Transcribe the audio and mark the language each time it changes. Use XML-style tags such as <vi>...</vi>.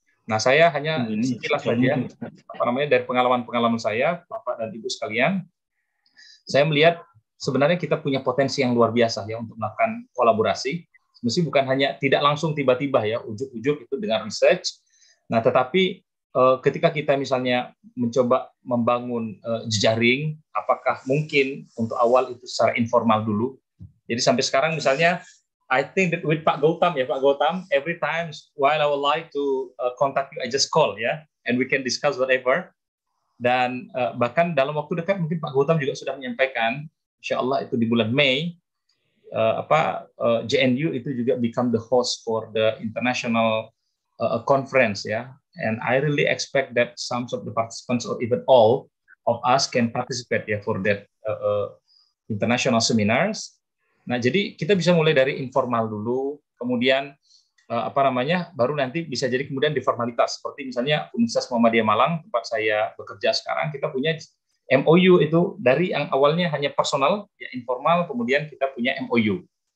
<id>Nah, saya hanya sekilas saja apa namanya, dari pengalaman-pengalaman saya, Bapak dan Ibu sekalian, saya melihat sebenarnya kita punya potensi yang luar biasa ya untuk melakukan kolaborasi. Mesti bukan hanya tidak langsung tiba-tiba ya ujuk-ujuk itu dengan research. Nah, tetapi ketika kita misalnya mencoba membangun jejaring, apakah mungkin untuk awal itu secara informal dulu? Jadi sampai sekarang misalnya,</id> <en>I think that with Pak Gautam ya, Pak Gautam, every time while I would like to contact you, I just call ya, yeah, and we can discuss whatever.</en> <id>Dan bahkan dalam waktu dekat mungkin Pak Gautam juga sudah menyampaikan, insyaallah itu di bulan Mei, JNU itu juga</id> <en>become the host for the international conference</en> <id>ya.</id> <en>And I really expect that some of the participants or even all of us can participate ya for that international seminars.</en> <id>Nah, jadi kita bisa mulai dari informal dulu, kemudian apa namanya, baru nanti bisa jadi kemudian di formalitas. Seperti misalnya Universitas Muhammadiyah Malang, tempat saya bekerja sekarang, kita punya MOU itu dari yang awalnya hanya personal, ya informal, kemudian kita punya MOU.</id>